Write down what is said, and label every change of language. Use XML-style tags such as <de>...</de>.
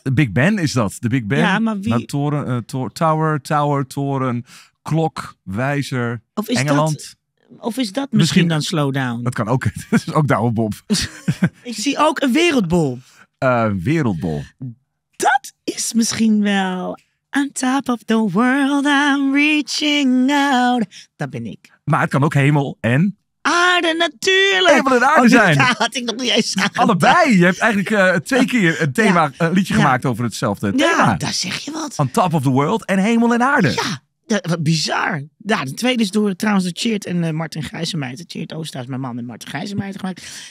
<nl>De Big Ben is dat. De Big Ben. Ja, maar wie? Maar toren, toren, klok, wijzer, of is Engeland. Of is dat misschien dan Slowdown? Dat kan ook. Dat is ook Douwe Bob. Ik zie ook een wereldbol. Wereldbol. Dat is misschien wel...</nl> <en>On top of the world, I'm reaching out.</en> <nl>Dat ben ik. Maar het kan ook hemel en... Aarde, natuurlijk. Hemel en aarde zijn. Dat had ik nog niet eens aan. Allebei. Je hebt eigenlijk twee keer een thema, een liedje gemaakt over hetzelfde thema. Ja, daar zeg je wat. On top of the world en hemel en aarde. Ja. Wat bizar. Ja, de tweede is door trouwens de Tjeerd en Martin Grijzenmeijten. Tjeerd Oosterhuis, mijn man, en Martin Grijzenmeijten gemaakt.</nl>